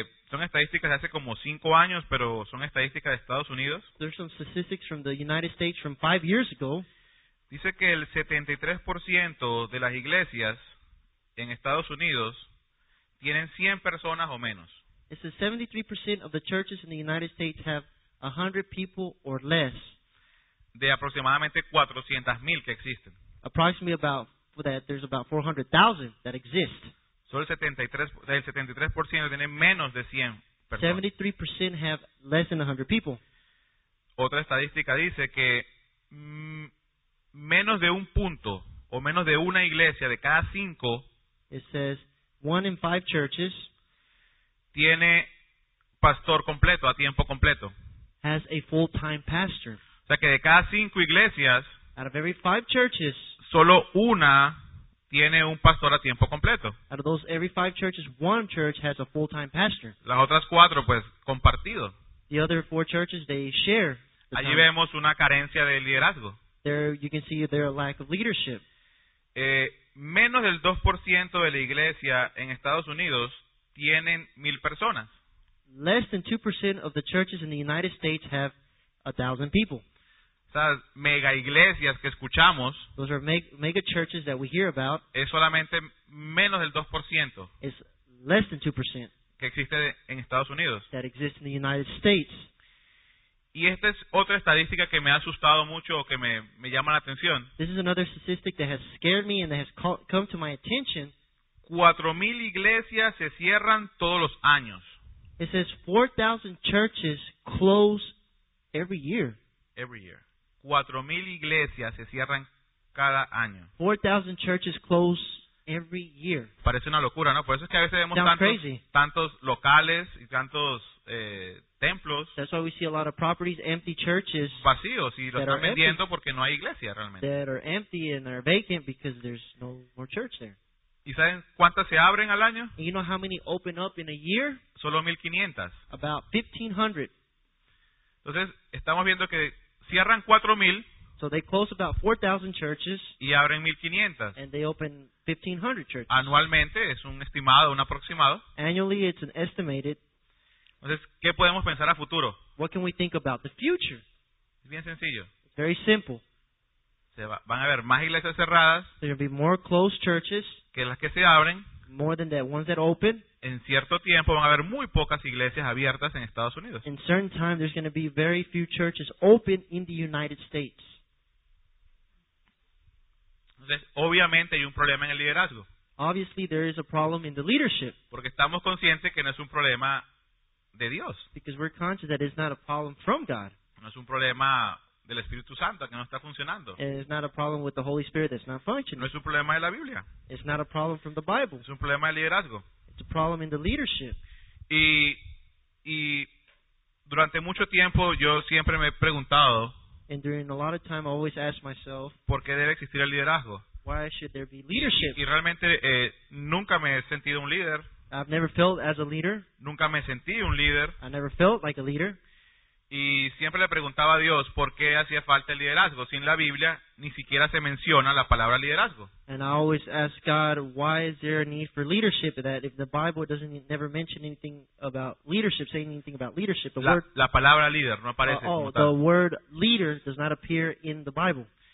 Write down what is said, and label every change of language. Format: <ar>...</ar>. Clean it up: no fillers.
<es>Son estadísticas de hace como 5 años, pero son estadísticas de Estados Unidos.</es> <en>There's some statistics from the United States from 5 years ago.</en> <es>Dice que el 73% de las iglesias en Estados Unidos tienen 100 personas o menos.</es> <en>It says 73% of the churches in the United States have 100 people or less.</en> <es>De aproximadamente 400,000 que existen.</es> <en>Approximately about that there's about 400,000 that exist.</en> <es>Solo el 73% tiene menos de 100 personas.</es> <en>73% have less than 100 people.</en> <es>Otra estadística dice que menos de un punto o menos de una iglesia de cada 5,</es> <en>it says one in 5 churches,</en> <es>tiene pastor completo, a tiempo completo,</es> <en>has a full-time pastor.</en> <es>O sea que de cada 5 iglesias,</es> <en>out of every 5 churches,</en> <es>solo una tiene un pastor a tiempo completo.</es> <en>Out of those every 5 churches, one church has a full-time pastor.</en> <es>Las otras 4, pues compartido.</es> <en>The other 4 churches, they share.</en> <es>Allí vemos una carencia de liderazgo.</es> <en>There, you can see there a lack of leadership.</en> <es>Menos del 2% de la iglesia en Estados Unidos tienen 1,000 personas.</es> <en>Less than 2% of the churches in the United States have 1,000 people.</en> <es>Esas mega iglesias que escuchamos,</es> <en>those are mega churches that we hear about,</en> <es>es solamente menos del 2%.</es> <en>It's less than 2%</en> <es>que existe en Estados Unidos.</es> <en>That exists in the United States.</en> <es>Y esta es otra estadística que me ha asustado mucho o que me llama la atención.</es> <en>This is another statistic that has scared me and that has come to my attention.</en> <es>4,000 iglesias se cierran todos los años.</es> <en>It says 4,000 churches close every year. Every year.</en> <es>4,000 iglesias se cierran cada año.</es> <en>4,000 churches close every year.</en> <es>Parece una locura, ¿no? Por eso es que a veces vemos tantos locales y tantos templos.</es> <en>That's why we see a lot of properties, empty churches.</en> <es>Vacíos, y los están vendiendo porque no hay iglesia realmente.</es> <en>That are empty and are vacant because there's no more church there.</en> <es>¿Y saben cuántas se abren al año?</es> <en>You know how many open up in a year?</en> <es>Solo 1,500.</es> <en>About 1,500.</en> <es>Entonces, estamos viendo que cierran 4,000.</es> <en>So they close about 4,000 churches.</en> <es>Y abren 1,500.</es> <en>And they open 1,500 churches.</en> <es>Anualmente, es un estimado, un aproximado.</es> <en>Annually, it's an estimated.</en> <es>Entonces, ¿qué podemos pensar a futuro?</es> <en>What can we think about the future?</en> <es>Es bien sencillo.</es> <en>Very simple.</en> <es>Van a haber más iglesias cerradas.</es> <en>There will be more closed churches.</en> <es>Que las que se abren.</es> <en>More than the ones that open.</en> <es>En cierto tiempo van a haber muy pocas iglesias abiertas en Estados Unidos.</es> <en>In certain time, there's going to be very few churches open in the United States.</en> <es>Entonces, obviamente hay un problema en el liderazgo.</es> <en>Obviously, there is a problem in the leadership.</en> <es>Porque estamos conscientes que no es un problema de Dios.</es> <en>Because we're conscious that it's not a problem from God.</en> <es>No es un problema del Espíritu Santo que no está funcionando.</es> <en>It's not a problem with the Holy Spirit that's not functioning.</en> <es>No es un problema de la Biblia.</es> <en>It's not a problem from the Bible.</en> <es>Es un problema de liderazgo.</es> <en>It's a problem in the leadership.</en> <es>Y durante mucho tiempo yo siempre me he preguntado.</es> <en>And during a lot of time I always ask myself.</en> <es>¿Por qué debe existir el liderazgo?</es> <en>Why should there be leadership?</en> <es>Y realmente nunca me he sentido un líder.</es> <en>I've never felt as a leader.</en> <es>Nunca me sentí un líder.</es> <en>I never felt like a leader.</en> <es>Y siempre le preguntaba a Dios por qué hacía falta el liderazgo. Sin la Biblia ni siquiera se menciona la palabra liderazgo.</es> <en>And I always ask God, why is there a need for leadership? That if the Bible doesn't never mention anything about leadership, say anything about leadership, the word.</en> <es>La palabra líder no aparece.</es> <en>The word leader does not appear in the Bible.</en>